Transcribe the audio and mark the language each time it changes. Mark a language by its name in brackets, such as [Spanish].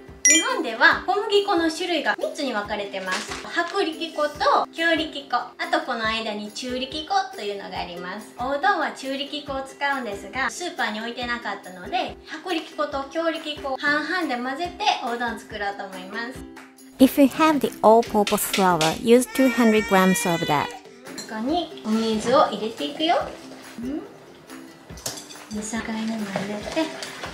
[Japanese] 日本では小麦粉の種類が3つに分かれてます。薄力粉と強力粉。あとこの間に中力粉というのがあります。おうどんは中力粉を使うんですが、スーパーに置いてなかったので、薄力粉と強力粉半々で混ぜておうどん作ろうと思います。 [English] If you have the all-purpose flour, use 200 grams of that. [Japanese] ここにお水を入れていくよ。 2、3回目も入れて。